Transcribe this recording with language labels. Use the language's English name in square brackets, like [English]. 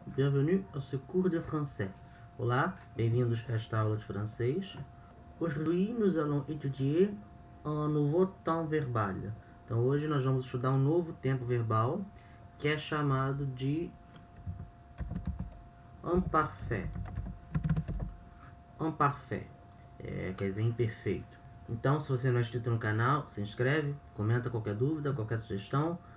[French] Bienvenue à ce cours de français. [Portuguese] Olá, bem-vindos a esta aula de francês. [French] Aujourd'hui, nous allons étudier un nouveau temps verbal. [Portuguese] Então, hoje nós vamos estudar um novo tempo verbal que é chamado de imparfait. Imparfait, quer dizer imperfeito. Então, se você não é inscrito no canal, se inscreve, comenta qualquer dúvida, qualquer sugestão.